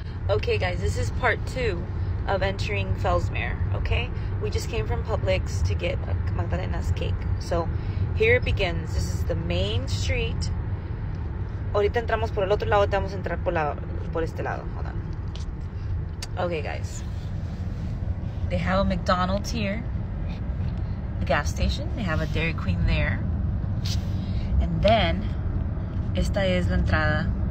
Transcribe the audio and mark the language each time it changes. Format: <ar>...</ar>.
<en>Okay, guys, this is part two of entering Fellsmere, okay? We just came from Publix to get Magdalena's cake. So here it begins. This is the main street.</en> <es>Ahorita entramos por el otro lado, te vamos a entrar por este lado.</es> <en>Hold on. Okay, guys. They have a McDonald's here, a gas station. They have a Dairy Queen there. And then,</en> <es>esta es la entrada.</es>